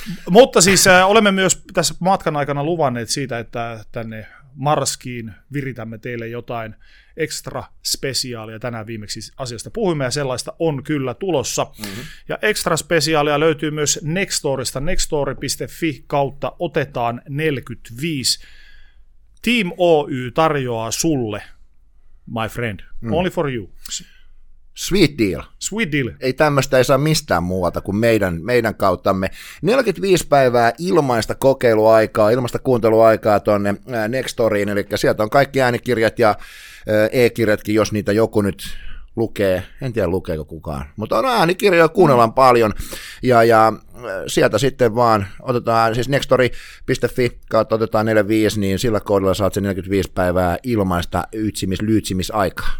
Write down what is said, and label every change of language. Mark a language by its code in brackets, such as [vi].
[fi] Mutta siis olemme myös tässä matkan aikana luvanneet siitä, että tänne marskiin viritämme teille jotain ekstra spesiaalia. Tänään viimeksi asiasta puhuimme ja sellaista on kyllä tulossa. Mm-hmm. Ja ekstra spesiaalia löytyy myös Nextdoorista, nextdoor.fi kautta otetaan 45. Team Oy tarjoaa sulle, [en] my friend, only for you. Sweet deal. Sweet deal. [fi] Ei tämmöistä ei saa mistään muualta kuin meidän kauttamme. 45 päivää ilmaista kokeiluaikaa, ilmaista kuunteluaikaa tuonne Nextdooriin, eli sieltä on kaikki äänikirjat ja e-kirjatkin, jos niitä joku nyt lukee. En tiedä, lukeeko kukaan, mutta on äänikirjoja, kuunnellaan paljon, ja sieltä sitten vaan otetaan, siis nextdoor.fi kautta otetaan 45, niin sillä koodilla saat sen 45 päivää ilmaista lyytsimisaikaa.